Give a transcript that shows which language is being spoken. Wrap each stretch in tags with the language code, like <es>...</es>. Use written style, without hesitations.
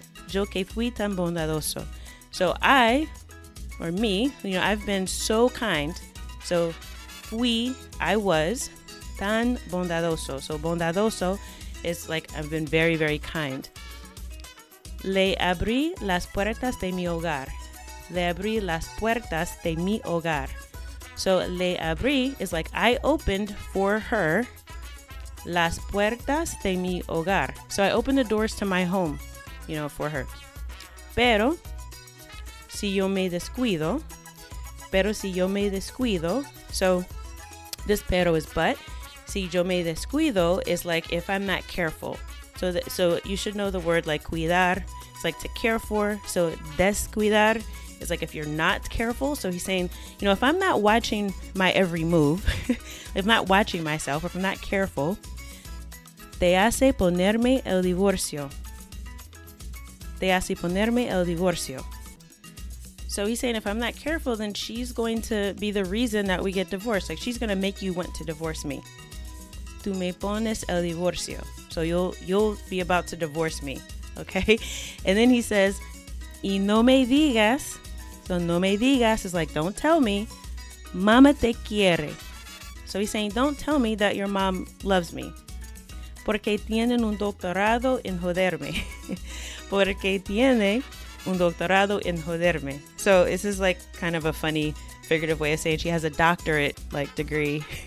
<es>Yo que fui tan bondadoso.</es> <en>So I, or me, you know, I've been so kind. So fui, I was,</en> <es>tan bondadoso.</es> <en>So bondadoso is like I've been very, very kind.</en> <es>Le abrí las puertas de mi hogar. le abrí las puertas de mi hogar.</es> <en>So,</en> <es>le abrí</es> <en>is like, I opened for her</en> <es>las puertas de mi hogar.</es> <en>So, I opened the doors to my home, you know, for her.</en> <es>Pero, si yo me descuido,</es> <en>pero si yo me descuido, so, this pero is but.</en> <es>Si yo me descuido</es> <en>is like, if I'm not careful. So you should know the word like cuidar. It's like to care for. So descuidar is like if you're not careful. So he's saying, you know, if I'm not watching my every move, if I'm not watching myself, if I'm not careful,</en> <es>te hace ponerme el divorcio. Te hace ponerme el divorcio.</es> <en>So he's saying if I'm not careful, then she's going to be the reason that we get divorced. Like she's going to make you want to divorce me.</en> <es>Tú me pones el divorcio.</es> <en>So you'll be about to divorce me, okay? And then he says,</en> <es>y no me digas.</es> <en>So</en> <es>no me digas</es> <en>is like, don't tell me.</en> <es>Mama te quiere.</es> <en>So he's saying, don't tell me that your mom loves me.</en> <es>Porque tienen un doctorado en joderme. Porque tiene un doctorado en joderme.</es> <en>So this is like kind of a funny figurative way of saying she has a doctorate like degree.</en>